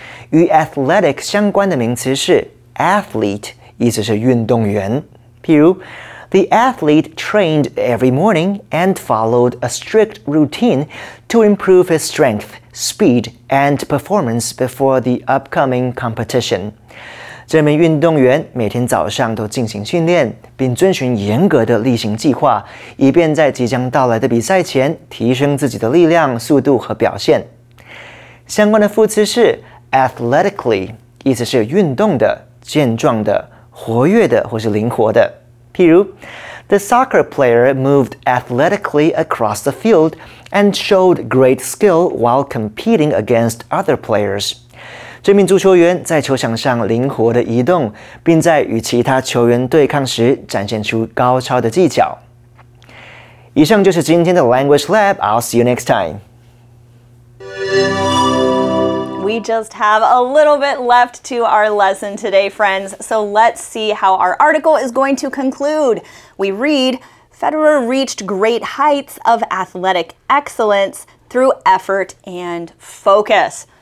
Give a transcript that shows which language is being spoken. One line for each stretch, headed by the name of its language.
Chinese: 与 athletic 相关的名词是 athlete， 意思是运动员。譬如
English: ，The athlete trained every morning and followed a strict routine to improve his strength, speed, and performance before the upcoming competition。
Chinese: 这名运动员每天早上都进行训练，并遵循严格的例行计划，以便在即将到来的比赛前提升自己的力量、速度和表现。相关的副词是 athletically， 意思是运动的、健壮的、活跃的或是灵活的。譬如
English: ，The soccer player moved athletically across the field and showed great skill while competing against other players.
Chinese: 这名足球员在球场上灵活的移动，并在与其他球员对抗时展现出高超的技巧。以上就是今天的
English: Language Lab. I'll see you next time. We just have a little bit left to our lesson today, friends. So let's see how our article is going to conclude. We read, Federer reached great heights of athletic excellence through effort and focus.